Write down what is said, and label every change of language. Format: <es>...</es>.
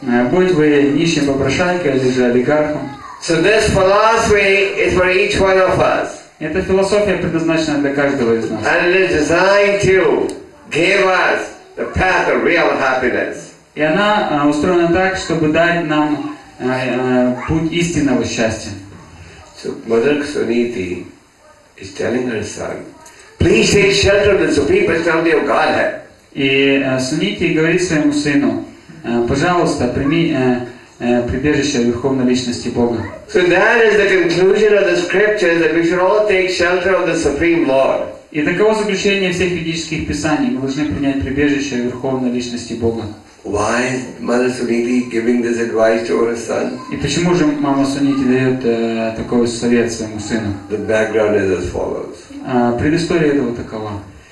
<ru>Будь вы нищим попрошайкой или же олигархом.</ru> <en>So this philosophy is for each one of us.</en> <ru>Эта философия предназначена для каждого из нас.</ru> <en>And it is designed to give us the path of real happiness.</en> <ru>И она устроена так, чтобы дать нам путь истинного счастья.</ru> <en>So Mother Suniti is telling her son, please take shelter of the Supreme Personality of Godhead.</en> <ru>И Сунити говорит своему сыну, пожалуйста, прими прибежище Верховной Личности Бога.</ru> <en>So that is the conclusion of the scripture that we should all take shelter of the Supreme Lord.</en> <ru>И таково заключение всех ведических писаний. Мы должны принять прибежище Верховной Личности Бога.</ru> <en>Why is Mother Suniti giving this advice to her son?</en> <ru>И почему же мама Сунити дает такой совет своему сыну?</ru> <en>The background is as follows.</en> <ru>Предыстория этого такова.</ru>